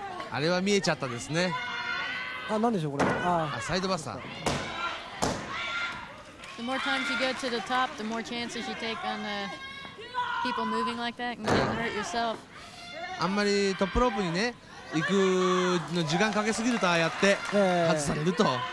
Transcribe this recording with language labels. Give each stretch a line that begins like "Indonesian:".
Japanese: あれは見えちゃったですね。あ、なんでしょうこれ。あ、サイドバスター。
English: The more times you go to the top, the more chances you take on the people moving like that, and you hurt yourself.
Japanese: あんまりトップロープにね、行くの時間かけすぎるとああやって外されると。